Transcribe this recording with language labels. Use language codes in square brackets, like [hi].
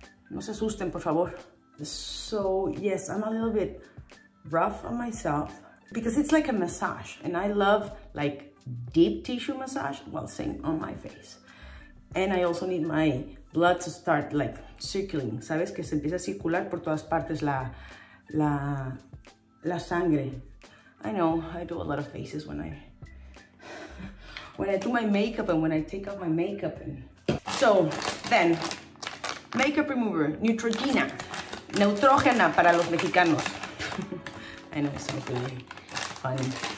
[es] No se asusten, por favor. [en] So, yes, I'm a little bit rough on myself. Because it's like a massage, and I love like deep tissue massage while sitting on my face. And I also need my blood to start like circling. [es] Sabes que se empieza a circular por todas partes la sangre. [en] I know, I do a lot of faces when I do my makeup and when I take off my makeup. And so then, makeup remover, Neutrogena. Neutrogena [es] para los mexicanos. [en] I know, it's so good.